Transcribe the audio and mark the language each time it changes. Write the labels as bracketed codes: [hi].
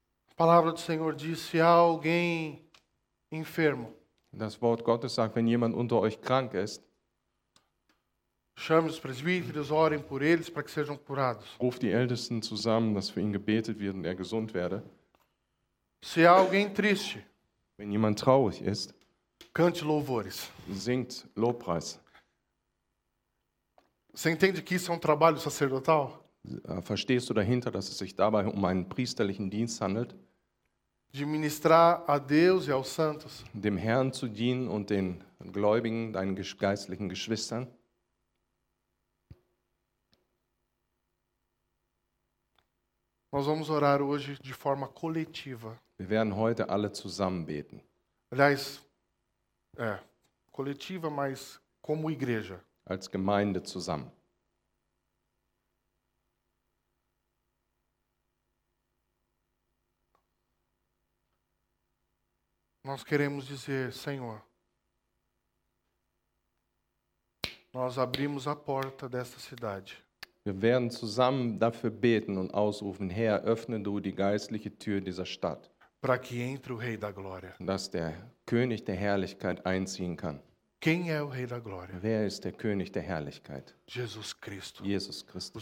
[pt] A palavra do Senhor diz se há alguém enfermo. [de] Das Wort Gottes sagt, wenn jemand unter euch krank ist, [pt] chame os presbíteros, orem por eles para que sejam curados. [de] Ruft die Ältesten zusammen, dass für ihn gebetet wird und er gesund werde. [pt] Se há alguém triste, [de] wenn jemand traurig ist, [pt] cante louvores. [de] Singt Lobpreis. [pt] Você entende que isso é trabalho sacerdotal? [de] Verstehst du dahinter, dass es sich dabei um einen priesterlichen Dienst handelt? [pt] De ministrar a Deus e aos santos. [de] Dem Herrn zu dienen und den Gläubigen, deinen geistlichen Geschwistern. [pt] Nós vamos orar hoje de forma coletiva. [de] Wir werden heute alle zusammen beten. [pt] Aliás, coletiva, mas como igreja. [de] Als Gemeinde zusammen. [pt] Nós queremos dizer, Senhor, nós abrimos a porta desta cidade. [de] Wir werden zusammen dafür beten und ausrufen, Herr, öffne du die geistliche Tür dieser Stadt. [pt] Para que entre o Rei da Glória. [de] Dass der König der Herrlichkeit einziehen kann. [pt] Quem é o Rei da Glória? [de] Wer ist der König der Herrlichkeit? [pt] Jesus Cristo. [de] Jesus Christus.